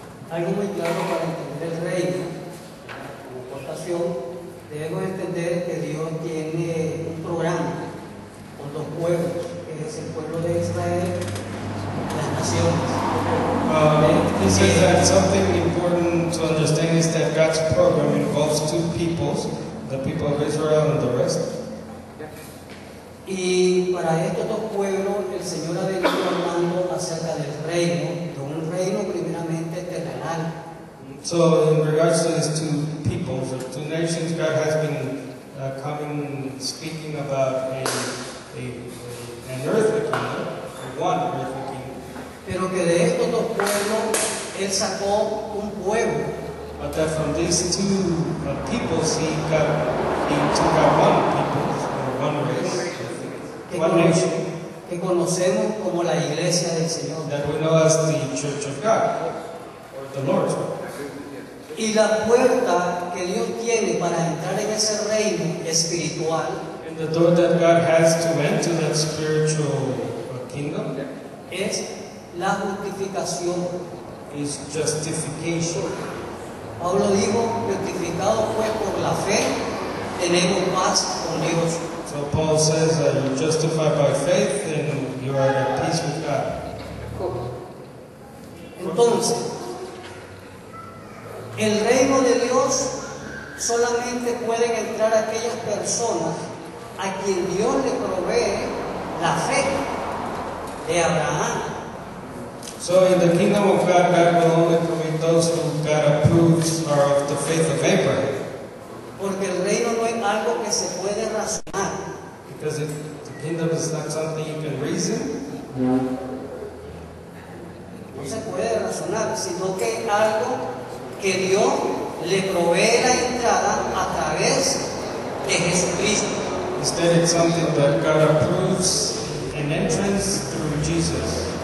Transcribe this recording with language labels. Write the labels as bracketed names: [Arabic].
[Spanish] Algo muy claro para entender el reino, como aportación, debemos entender que Dios tiene un programa con dos pueblos, que es el pueblo de Israel, las naciones. [English] He says that something important to understand is that God's program involves two peoples. The people of Israel and the rest. [Spanish] Y para estos dos pueblos, el Señor ha venido hablando acerca del reino, de un reino primeramente terrenal. [English] So, in regards to these two peoples, or two nations, God has been speaking about an earthly kingdom, one earthly kingdom. [Spanish] Pero que de estos dos pueblos, Él sacó un pueblo. [English] But that from these two peoples, he took out one people, or one race, [Spanish] que [English] one nation. [Spanish] Que conocemos como la iglesia del Señor. [English] That we know as the Church of God, or the Lord. [Spanish] Y la puerta que Dios tiene para entrar en ese reino espiritual. [English] And the door that God has to enter that spiritual kingdom. [Spanish] Es la justificación. [English] Is justification. [Spanish] Pablo dijo, justificado pues por la fe, tenemos paz con Dios. [English] So Paul says that you're justified by faith and you are at peace with God. [Spanish] Entonces, el reino de Dios solamente pueden entrar aquellas personas a quien Dios le provee la fe de Abraham. [English] So in the kingdom of God, God will only permit those who God approves are of the faith of Abraham. [Spanish] Porque el reino no es algo que se puede razonar. [English] Because if the kingdom is not something you can reason, [Spanish] no se puede razonar, sino que es algo que Dios le provee la entrada a través de Jesucristo. [English] Instead, it's something that God approves an entrance through Jesus.